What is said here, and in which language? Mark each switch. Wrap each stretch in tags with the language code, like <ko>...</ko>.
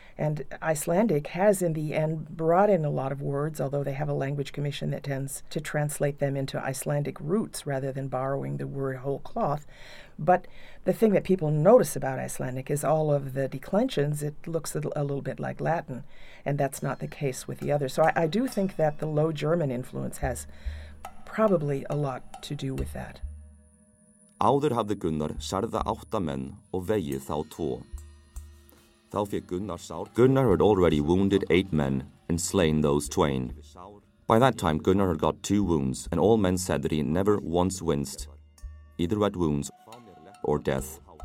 <en>And Icelandic has, in the end, brought in a lot of words, although they have a language commission that tends to translate them into Icelandic roots rather than borrowing the word whole cloth. But the thing that people notice about Icelandic is all of the declensions. It looks a little bit like Latin, and that's not the case with the others. So I do think that the Low German influence has probably a lot to do with that.</en> <is>Áður hafði Gunnar særða átta menn og vegið þá tvo.</is> <en>Gunnar had already wounded 8 men and slain those 20. By that time, Gunnar had got 2 wounds, and all men said that he never once winced, either at wounds or death.</en>